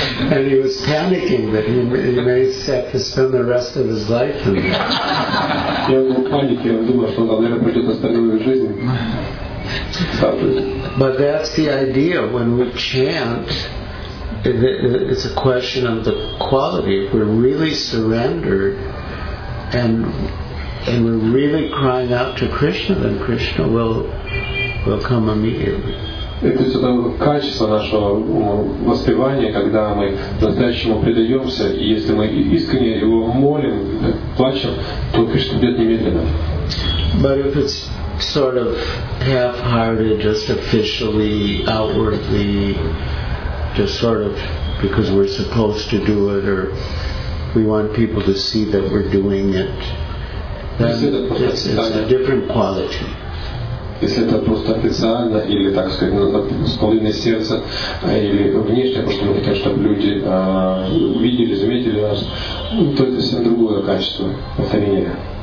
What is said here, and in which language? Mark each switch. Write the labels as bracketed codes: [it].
[en] And he was panicking that he may have to spend the rest of his life in there. [ru] Я был в панике, я думал, что он, наверное, пройдет остальную жизнь. [en] But that's the idea when we chant. It's a question of the quality. If we're really surrendered and we're really crying out to Krishna, then Krishna will come immediately. [ru] Это всегда качество нашего воспевания, когда мы настоящему предаемся, и если мы искренне его молим, плачем, то Кришна придет немедленно. [en] But if it's sort of half-hearted, just officially, outwardly, just sort of because we're supposed to do it, or we want people to see that we're doing it, then it's a different quality. [ru] Если это просто официально, или, так сказать, с половиной сердца, или внешне, просто мы хотим, чтобы люди увидели, заметили нас, то это совсем другое качество повторения.